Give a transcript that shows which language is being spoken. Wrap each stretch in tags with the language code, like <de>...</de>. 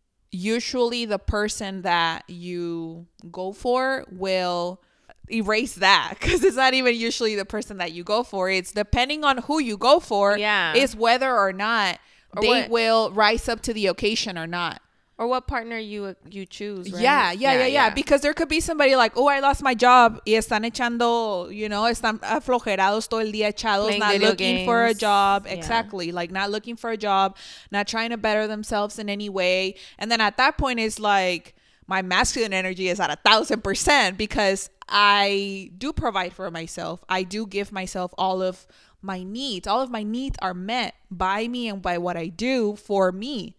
<en>Usually the person that you go for will erase that, because it's not even usually the person that you go for. It's depending on who you go for. Yeah. Is whether or not will rise up to the occasion or not. Or what partner you choose, right? Yeah. Because there could be somebody like, oh, I lost my job.</en> <es>Y están echando,</es> <en>you know,</en> <es>están aflojerados todo el día echados,</es> <en>not looking for a job. Yeah. Exactly. Like not looking for a job, not trying to better themselves in any way. And then at that point, it's like my masculine energy is at 1,000%, because I do provide for myself. I do give myself all of my needs. All of my needs are met by me and by what I do for me.</en>